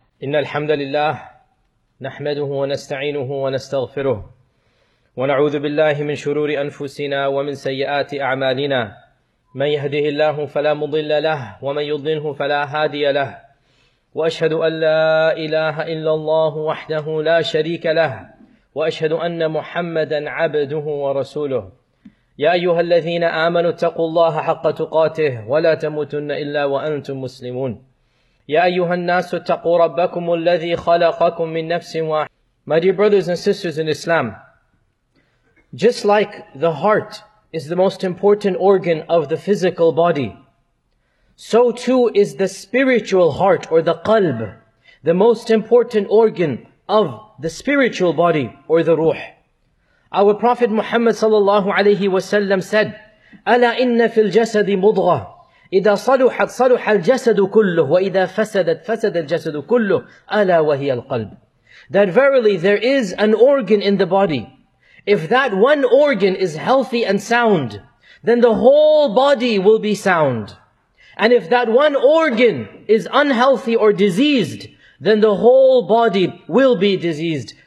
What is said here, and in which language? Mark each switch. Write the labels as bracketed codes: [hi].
[ar] إن الحمد لله نحمده ونستعينه ونستغفره ونعوذ بالله من شرور أنفسنا ومن سيئات أعمالنا، من يهده الله فلا مضل له ومن يضلله فلا هادي له، وأشهد أن لا إله إلا الله وحده لا شريك له، وأشهد أن محمدًا عبده ورسوله. يا أيها الذين آمنوا اتقوا الله حق تقاته ولا تموتن إلا وأنتم مسلمون. يا أيها الناس اتقوا ربكم الذي خلقكم من نفس واحد. [en] My dear brothers and sisters in Islam, just like the heart is the most important organ of the physical body, so too is the spiritual heart or the qalb the most important organ of the spiritual body or the ruh. Our Prophet Muhammad sallallahu alayhi wa sallam said, [ar] أَلَا إِنَّ فِي الْجَسَدِ مُضْغَةٌ إِذَا صَلُحَتْ صَلُحَ الْجَسَدُ كُلُّهُ وَإِذَا فَسَدَتْ فَسَدَ الْجَسَدُ كُلُّهُ أَلَا وَهِيَ الْقَلْبُ. [en] That verily there is an organ in the body. If that one organ is healthy and sound, then the whole body will be sound. And if that one organ is unhealthy or diseased, then the whole body will be diseased.